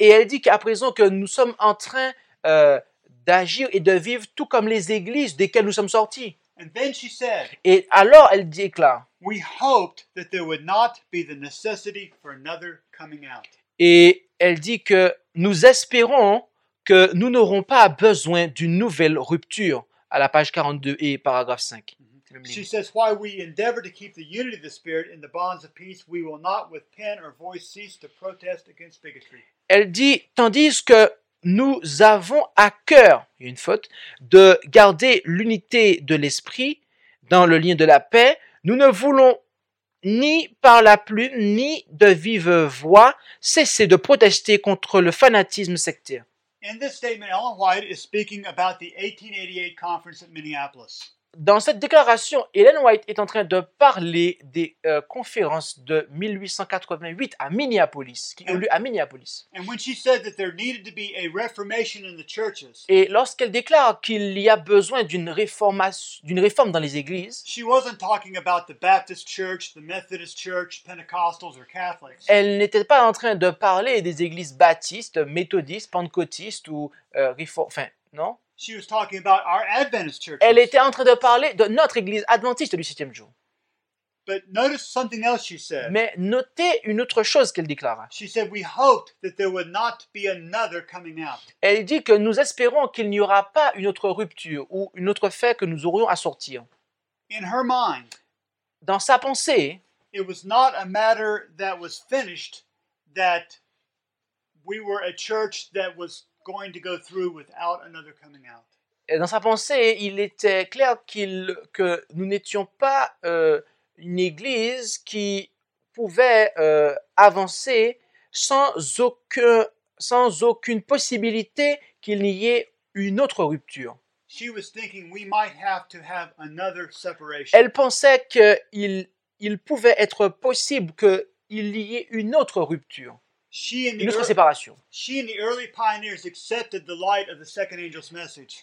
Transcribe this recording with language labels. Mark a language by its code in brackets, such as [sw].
[fr] Et elle dit qu'à présent que nous sommes en train d'agir et de vivre tout comme les églises desquelles nous sommes sortis. [en] And then she said, [fr] et alors elle déclare, [en] we hoped that there would not be the necessity for another coming out. [fr] Et elle dit que nous espérons que nous n'aurons pas besoin d'une nouvelle rupture à la page 42 et paragraphe 5. [en] She says, while we endeavor to keep the unity of the spirit in the bonds of peace, we will not with pen or voice cease to protest against bigotry. [fr] Elle dit, tandis que nous avons à cœur, il y a une faute, de garder l'unité de l'esprit dans le lien de la paix. Nous ne voulons ni par la plume, ni de vive voix, cesser de protester contre le fanatisme sectaire. [en] In this statement, Ellen White is speaking about the 1888 conference at Minneapolis. [fr] Dans cette déclaration, Ellen White est en train de parler des conférences de 1888 à Minneapolis, qui ont lieu à Minneapolis. [en] And when she said that there needed to be a reformation in the churches, [fr] et lorsqu'elle déclare qu'il y a besoin d'une réforme dans les églises, [en] she wasn't talking about the Baptist Church, the Methodist Church, Pentecostals or Catholics. [fr] Elle n'était pas en train de parler des églises baptistes, méthodistes, pentecôtistes ou non. [en] She was talking about our Adventist churches. [fr] Elle était en train de parler de notre église adventiste du septième jour. [en] But notice something else she said. [fr] Mais notez une autre chose qu'elle déclara. [en] She said we hoped that there would not be another coming out. [fr] Elle dit que nous espérons qu'il n'y aura pas une autre rupture ou une autre fait que nous aurions à sortir. [en] In her mind, [fr] dans sa pensée, [en] it was not a matter that was finished, that we were a church that was going to go through without another coming out. [fr] Et dans sa pensée, il était clair que nous n'étions pas une église qui pouvait avancer sans aucune possibilité qu'il n'y ait une autre rupture. [en] She was thinking we might have to have another separation. [fr] Elle pensait que il pouvait être possible que il y ait une autre rupture. [en] She and the early pioneers accepted the light of the second angel's message.